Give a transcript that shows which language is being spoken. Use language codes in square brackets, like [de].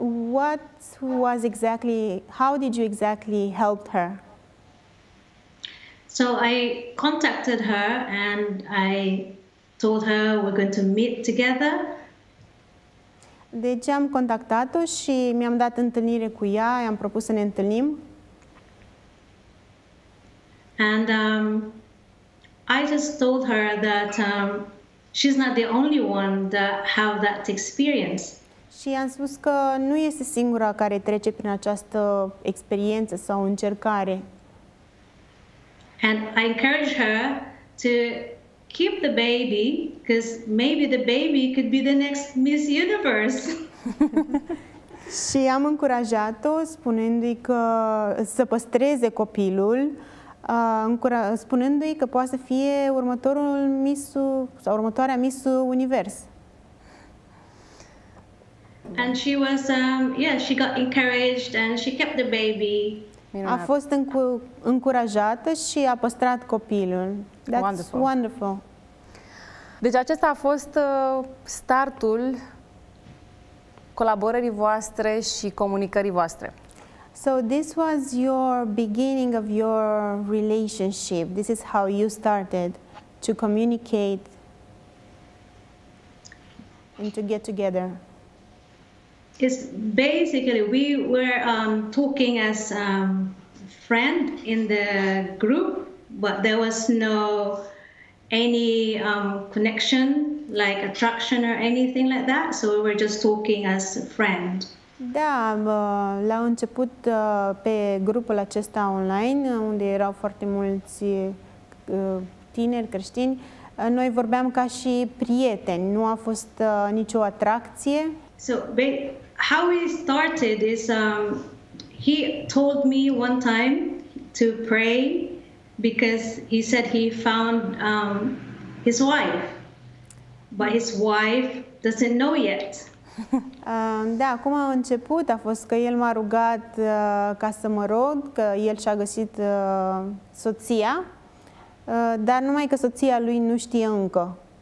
[en] What was exactly, how did you exactly help her? So I contacted her and I told her we're going to meet together. [ro] Deci am contactat-o și mi-am dat întâlnire cu ea, i-am propus să ne întâlnim. [en] And I just told her that She's not the only one that have that experience. [ro] Și am spus că nu este singura care trece prin această experiență sau încercare. [en] And I encourage her to keep the baby, because maybe the baby could be the next Miss Universe. [ro] Și am încurajat-o spunându-i că să păstreze copilul, spunându-i că poate să fie următorul Miss-ul, sau următoarea Miss Univers. [en] And she was she got encouraged and she kept the baby. [ro] Minunat. A fost încurajată și a păstrat copilul. [en] That's wonderful. Wonderful. [ro] Deci acesta a fost startul colaborării voastre și comunicării voastre. [en] So this was your beginning of your relationship. This is how you started to communicate and to get together. It's basically we were talking as friend in the group, but there was no any connection, like attraction or anything like that. So we were just talking as a friend. [ro] Da, la început pe grupul acesta online, unde erau foarte mulți tineri creștini, noi vorbeam ca și prieteni. Nu a fost nicio atracție. [en] So, how we started is he told me one time to pray because he said he found his wife, but his wife doesn't know yet. [ro] Da, cum a început a fost că el m-a rugat ca să mă rog că el și-a găsit soția, dar numai că soția lui nu știe încă.